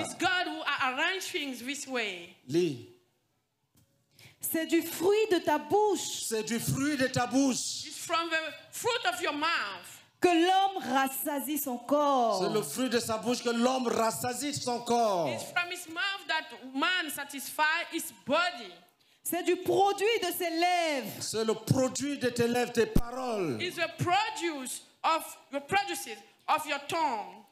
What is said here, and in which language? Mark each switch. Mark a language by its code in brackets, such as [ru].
[en] It's God who arranged things this way. [fr] Lis. C'est du fruit de ta bouche. C'est du fruit de ta bouche. [en] It's from the fruit of your mouth. [fr] Que l'homme rassasie son corps. C'est le fruit de sa bouche que l'homme rassasie son corps. [en] It's from his mouth that man satisfies his body. [fr] C'est du produit de ses lèvres. C'est le produit de tes lèvres, tes paroles. [en] It's the produce of your produces of your tongue.